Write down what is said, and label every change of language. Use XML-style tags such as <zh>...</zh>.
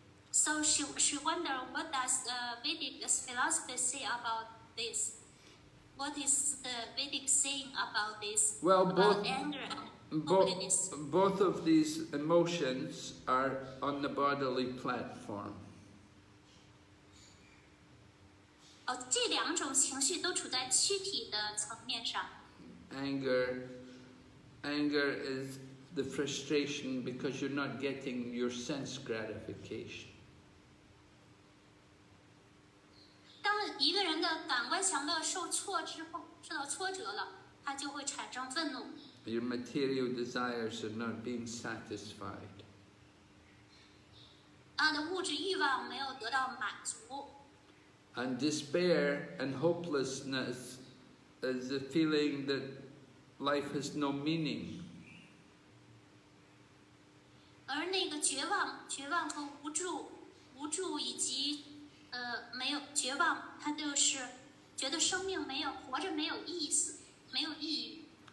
<en>So she wonder what does the Vedic philosophy say about this? What is the Vedic saying about this? Well, about anger and hopelessness. Both of these emotions are on the bodily platform.</en> <zh>这两种情绪都处在躯体的层面上。</zh> <en>Anger is the frustration because you're not getting your sense gratification.</en> <zh>当一个人的感官享乐受到挫折了，他就会产生愤怒。</zh> <en>Your material desires are not being satisfied.</en> <zh>他的物质欲望没有得到满足。</zh> <en>And despair and hopelessness is the feeling that life has no meaning.</en> <zh>而那个绝望和无助以及没有绝望，它就是觉得生命没有活着没有意思，没有意义。</zh>